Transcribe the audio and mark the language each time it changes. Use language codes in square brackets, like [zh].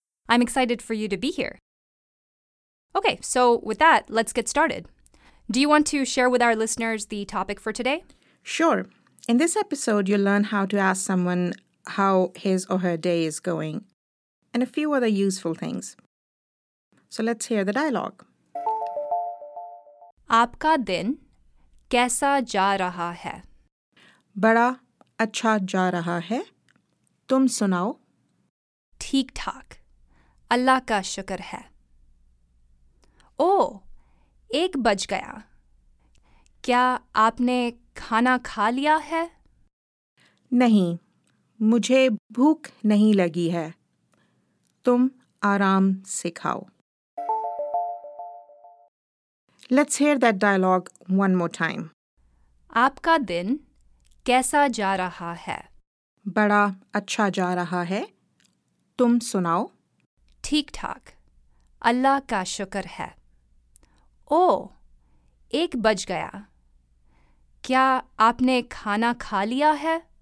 [en] I'm excited for you to be here. Okay, so with that, let's get started. Do you want to share with our listeners the topic for today? Sure. In this episode, you'll learn how to ask someone how his or her day is going, and a few other useful things. So let's hear the dialogue. [ur] آپ کا دن کیسا جا رہا ہے؟ Bada acha ja raha hai. Tum sunao. ٹھیک ٹھاک۔ اللہ کا شکر ہے۔ اوہ، ایک بج گیا۔ کیا آپ نے کھانا کھا لیا ہے؟ Nahi. Mujhe bhook nahi lagi hai. Tum aaram se khao. [en] Let's hear that dialogue one more time. [ur] آپ کا دن کیسا جا رہا ہے؟ Bada acha ja raha hai. Tum sunao. ٹھیک ٹھاک۔ اللہ کا شکر ہے۔ اوہ، ایک بج گیا۔ کیا آپ نے کھانا کھا لیا ہے؟